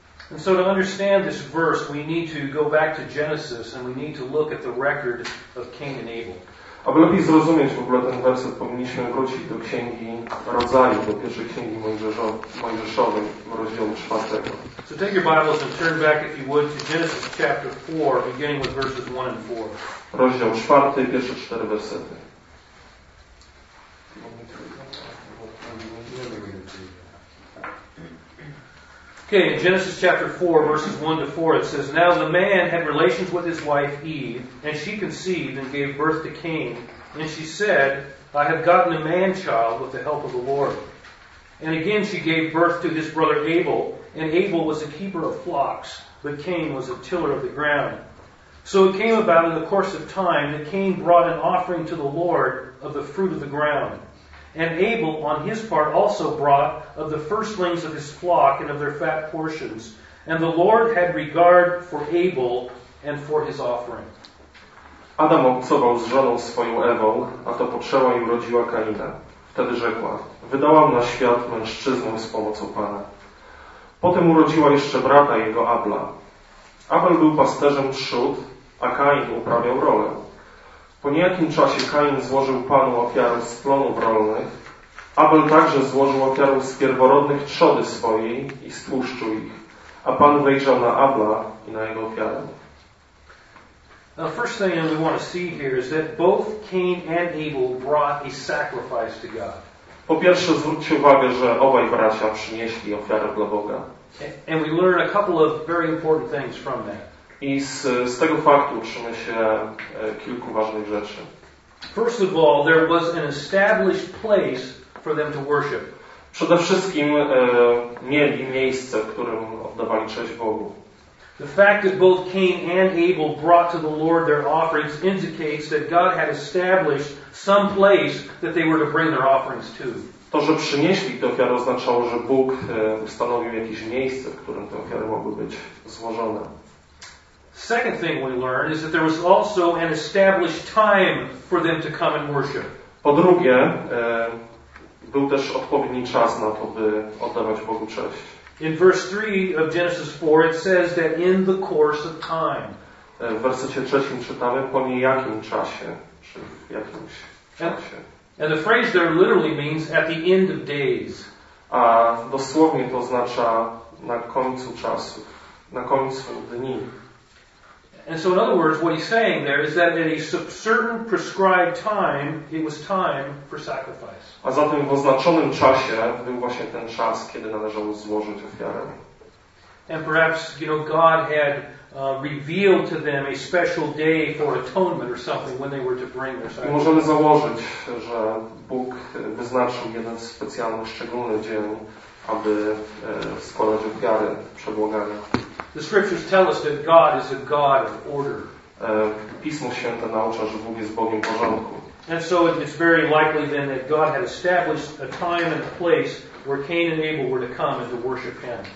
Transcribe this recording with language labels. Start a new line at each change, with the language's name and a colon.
English: And so to understand this verse, we need to go back to Genesis and we need to look at the record of Cain and Abel.
Polish: Aby lepiej zrozumieć w ogóle ten werset, powinniśmy wrócić do Księgi Rodzaju, do pierwszej Księgi Mojżeszowej, rozdziału 4.
English: So take your Bibles and turn back, if you would, to Genesis chapter 4, beginning with verses 1 and 4.
Polish: Rozdział 4, pierwsze 4 wersety.
English: Okay, in Genesis chapter 4, verses 1 to 4, it says, Now the man had relations with his wife Eve, and she conceived and gave birth to Cain. And she said, I have gotten a man-child with the help of the Lord. And again she gave birth to his brother Abel, and Abel was a keeper of flocks, but Cain was a tiller of the ground. So it came about in the course of time that Cain brought an offering to the Lord of the fruit of the ground. And Abel, on his part, also brought of the firstlings of his flock and of their fat portions. And the Lord had regard for Abel and for his offering.
Polish: Adam obcował z żoną swoją Ewą, a to poczęła i urodziła Kaina. Wtedy rzekła, wydałam na świat mężczyznę z pomocą Pana. Potem urodziła jeszcze brata jego Abla. Abel był pasterzem trzód, a Kain uprawiał rolę. Po niejakim czasie Kain złożył Panu ofiarę z plonów rolnych. Abel także złożył ofiarę z pierworodnych trzody swojej i stłuszczu ich. A Pan wejrzał na Abla i na jego ofiarę.
English: Now, first thing that we want to see here is that both Cain and Abel brought a sacrifice to God.
Polish: Po pierwsze, zwróćcie uwagę, że obaj bracia przynieśli ofiarę dla Boga.
English: And we learn a couple of very important things from that.
Polish: I z tego faktu uczymy się kilku ważnych rzeczy.
English: First of all, there was an established place for them to worship.
Polish: Przede wszystkim mieli miejsce, w którym oddawali cześć Bogu.
English: The fact that both Cain and Abel brought to the Lord their offerings indicates that God had established some place that they were to bring their offerings to.
Polish: To, że przynieśli te ofiary, oznaczało, że Bóg ustanowił jakieś miejsce, w którym te ofiary mogły być złożone.
English: Second thing we learn is that there was also an established time for them to come and worship.
Polish: Po drugie, był też odpowiedni czas na to, by oddawać Bogu cześć.
English: In verse 3 of Genesis 4 it says that in the course of time.
Polish: W wersecie trzecim czytamy po niejakim czasie, czy w jakimś czasie.
English: And the phrase there literally means at the end of days.
Polish: A dosłownie to oznacza na końcu czasów, na końcu dni.
English: And so in other words, what he's saying there is that at a certain prescribed time, it was time for sacrifice.
Polish: A zatem w oznaczonym czasie był właśnie ten czas, kiedy należało złożyć ofiarę.
English: And perhaps, you know, God had revealed to them a special day for atonement or something when they were to bring their sacrifice.
Polish: I możemy założyć, że Bóg wyznaczył jeden specjalny, szczególny dzień, aby składać ofiary, przebłagania.
English: The scriptures tell us that God is a God of order.
Polish: Pismo Święte naucza, że Bóg jest Bogiem porządku.
English: And so it's very likely then that God had established a time and a place where Cain and Abel were to come and to worship Him.